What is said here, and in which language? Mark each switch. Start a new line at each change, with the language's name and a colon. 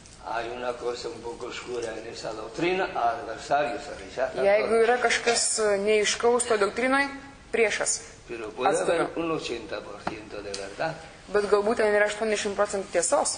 Spanish: Hay una cosa un poco oscura en esa doctrina, adversario se rechaza.
Lithuanian: Jeigu yra kažkas neiškaus to doktrinoj, priešas.
Spanish: Pero puede haber un 80% de verdad.
Lithuanian: Bet galbūt ten yra 80% tiesos.